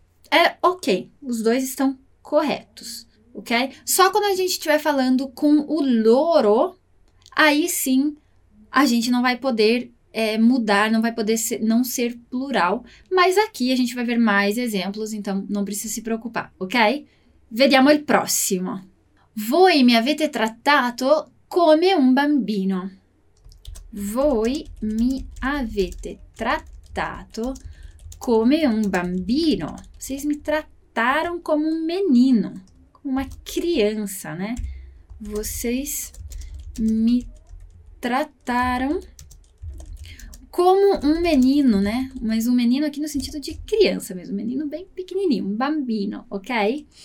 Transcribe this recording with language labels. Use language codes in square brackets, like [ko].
[pt] É ok, os dois estão corretos, ok? Só quando a gente estiver falando com o loro, aí sim a gente não vai poder mudar, não vai poder ser, não ser plural. Mas aqui a gente vai ver mais exemplos, então não precisa se preocupar, ok? [it] Vediamo il prossimo. Voi mi avete trattato come un bambino. Voi mi avete trattato come un bambino. [pt] Vocês me trataram como um menino, como uma criança, né? Vocês me trataram como um menino, né? Mas um menino aqui no sentido de criança mesmo, um menino bem pequenininho, um bambino, ok?